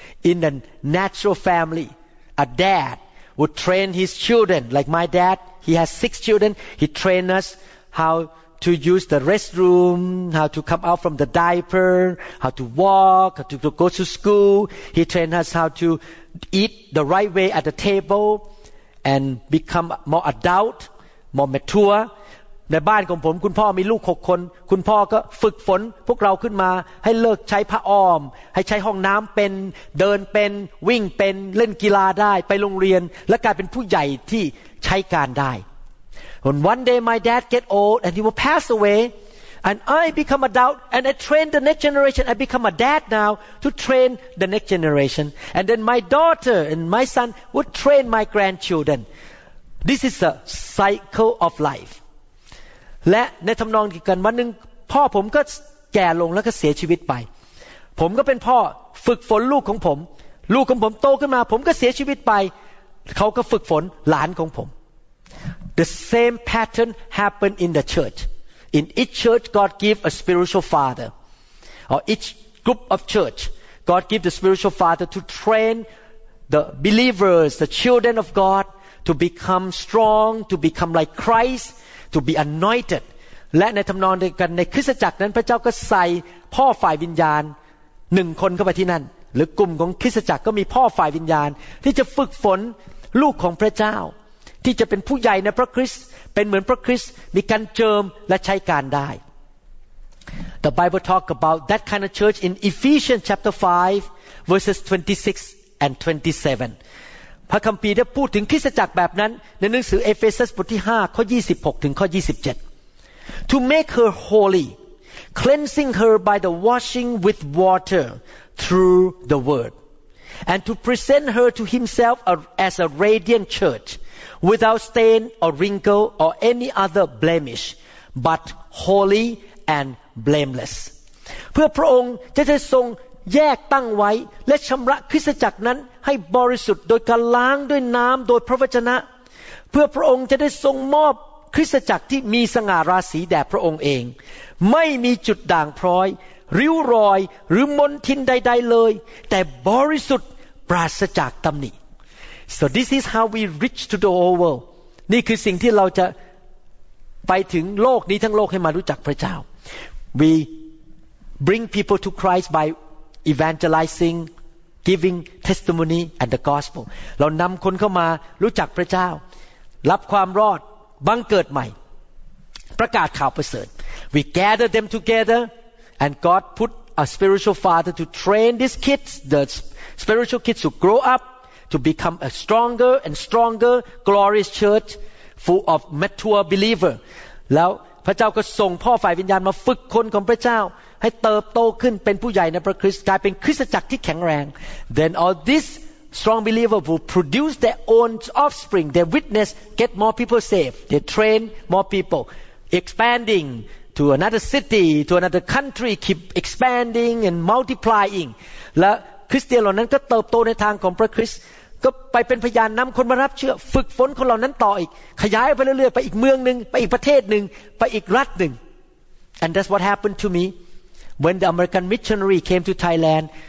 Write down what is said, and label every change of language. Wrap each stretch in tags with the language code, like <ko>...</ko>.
<en>in the natural family a dad would train his children like my dad he has 6 children he trained us how to use the restroom how to come out from the diaper how to walk how to go to school he trained us how to eat the right way at the tableand become more adult more mature</en> <th>ในบ้านของผมคุณพ่อมีลูก6คนคุณพ่อก็ฝึกฝนพวกเราขึ้นมาให้เลิกใช้ผ้าอ้อมให้ใช้ห้องน้ำเป็นเดินเป็นวิ่งเป็นเล่นกีฬาได้ไปโรงเรียนและกลายเป็นผู้ใหญ่ที่ใช้การได้</th> <en>When one day my dad get old and he will pass away and I become adult and I train the next generation I become a dad now to train the next generation and then my daughter and my son would train my grandchildren this is a cycle of life</en> <th>และในทำนองเดียวกันวันหนึ่งพ่อผมก็แก่ลงแล้วก็เสียชีวิตไปผมก็เป็นพ่อฝึกฝนลูกของผมลูกของผมโตขึ้นมาผมก็เสียชีวิตไปเขาก็ฝึกฝนหลานของผม</th> <en>the same pattern happened in the churchIn each church, God gives a spiritual father. Or each group of church, God gives the spiritual father to train the believers, the children of God, to become strong, to become like Christ, to be anointed.</en> <th>และในทำนองเดียวกันในคริสตจักรนั้นพระเจ้าก็ใส่พ่อฝ่ายวิญญาณหนึ่งคนเข้าไปที่นั่นหรือกลุ่มของคริสตจักรก็มีพ่อฝ่ายวิญญาณที่จะฝึกฝนลูกของพระเจ้าที่จะเป็นผู้ใหญ่ในพระคริสต์เป็นเหมือนพระคริสต์มีการเจิมและใช้การได้</th> <en>The Bible talk about that kind of church in Ephesians chapter 5 verses 26 and 27</en> <th>พระคัมภีร์ได้พูดถึงคริสตจักรแบบนั้นในหนังสือเอเฟซัสบทที่5ข้อ26ถึงข้อ27</th> <en>To make her holy cleansing her by the washing with water through the word and to present her to himself as a radiant churchwithout stain or wrinkle or any other blemish but holy and blameless</en> <th>เพื่อพระองค์จะได้ทรงแยกตั้งไว้และชำระคริสตจักรนั้นให้บริสุทธิ์โดยการล้างด้วยน้ำโดยพระวจนะเพื่อพระองค์จะได้ทรงมอบคริสตจักรที่มีสง่าราศีแด่พระองค์เองไม่มีจุดด่างพร้อยริ้วรอยหรือมลทินใดๆเลยแต่บริสุทธิ์ปราศจากตำหนิ</th> <en>So this is how we reach to the whole world.</en> <th>นี่คือสิ่งที่เราจะไปถึงโลกนี้ทั้งโลกให้มารู้จักพระเจ้า</th> <en>We bring people to Christ by evangelizing, giving testimony and the gospel.</en> <th>เรานำคนเข้ามารู้จักพระเจ้ารับความรอดบังเกิดใหม่ประกาศข่าวประเสริฐ</th> <en>We gather them together and God put a spiritual father to train these kids, the spiritual kids who grow upto become a stronger and stronger glorious church full of mature believer</en> <th>แล้วพระเจ้าก็ส่งพ่อฝ่ายวิญญาณมาฝึกคนของพระเจ้าให้เติบโตขึ้นเป็นผู้ใหญ่ในพระคริสต์กลายเป็นคริสตจักรที่แข็งแรง</th> <en>then all these strong believers will produce their own offspring their witness get more people saved they train more people expanding to to another city, to another country, keep expanding and multiplying.</en> <th>และคริสเตียนเหล่านั้นก็เติบโตในทางของพระคริสต์ก็ไปเป็นพยานนำคนมารับเชื่อฝึกฝนคนเหล่านั้นต่ออีกขยายไปเรื่อยๆไปอีกเมืองนึงไปอีกประเทศนึงไปอีกรัฐนึง</th> <en>And that's what happened to me when the American missionary came to Thailand.</en>